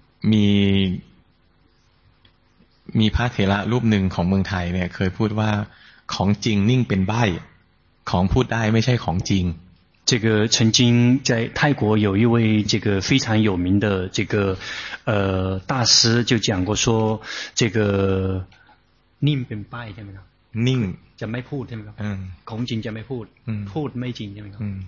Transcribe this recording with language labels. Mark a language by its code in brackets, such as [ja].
[th] มีพระเถระรูปหนึ่งของเมืองไทยเนี่ยเคยพูดว่าของจริงนิ่งเป็นใบ้ของพูดได้ไม่ใช่ของจริง [zh] 这个曾经在泰国有一位这个非常有名的这个大师就讲过说这个 [th] นิ่งเป็นป้ายใช่ไหมครับ นิ่ง จะไม่พูดใช่ไหมครับของจริงจะไม่พูดพูดไม่จริงใช่ไหมครับ